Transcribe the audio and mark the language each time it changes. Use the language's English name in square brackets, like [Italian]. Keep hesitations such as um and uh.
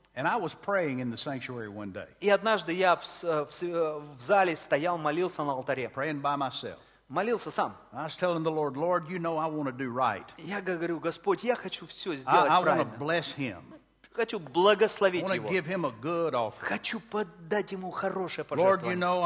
[English] And I was praying in the sanctuary one day. [Russian] И однажды я в, в зале стоял, молился на алтаре. [English] Praying by myself. [Russian] молился сам. [English] The Lord, Lord, you know I do right. [Russian] Я говорю, Господь, я хочу все сделать [English] I, I [Russian] правильно. [English] Bless him. [Russian] Хочу благословить его. [English] Give him a good [Russian] хочу подать ему хорошее пожертвование.